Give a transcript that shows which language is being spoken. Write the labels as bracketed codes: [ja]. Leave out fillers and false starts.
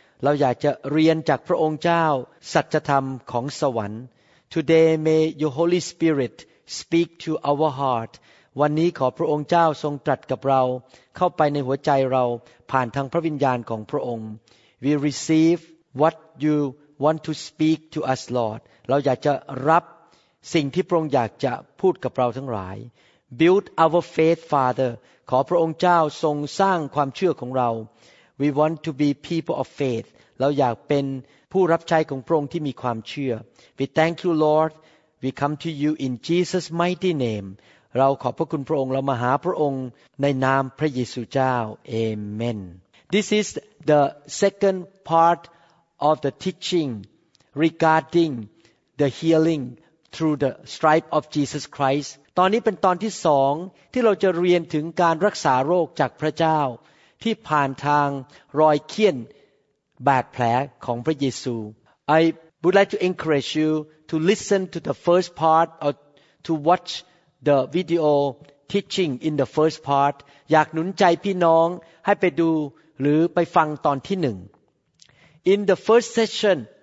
[th] เราอยากจะเรียนจากพระองค์เจ้าสัจธรรมของสวรรค์ [en] Today may your Holy Spirit speak to our heart [th] วันนี้ขอพระองค์เจ้าทรงตรัสกับเราเข้าไปในหัวใจเราผ่านทางพระวิญญาณของพระองค์ [en] We receive what you want to speak to us Lord [th] เราอยากจะรับ สิ่งที่พระองค์อยากจะพูดกับเราทั้งหลาย [en] Build our faith Father [th] ขอพระองค์เจ้าทรงสร้างความเชื่อของเรา [en] We want to be people of faith. [th] เราอยากเป็นผู้รับใช้ของพระองค์ที่มีความเชื่อ [en] We thank you, Lord. We come to you in Jesus' mighty name. [th] เราขอบพระคุณพระองค์เรามาหาพระองค์ในนามพระเยซูเจ้า Amen. [en] This is the second part of the teaching regarding the healing through the stripes of Jesus Christ. [th] ตอนนี้เป็นตอนที่สองที่เราจะเรียนถึงการรักษาโรคจากพระเจ้าที่ผ่านทางรอยเคี้ยนบาดแผลของพระเยซู [en] I would like to encourage you to listen to the first part or to watch the video teaching in the first part [th] อยากหนุนใจพี่น้องให้ไปดูหรือไปฟังตอนที่หนึ่ง [en] In the first session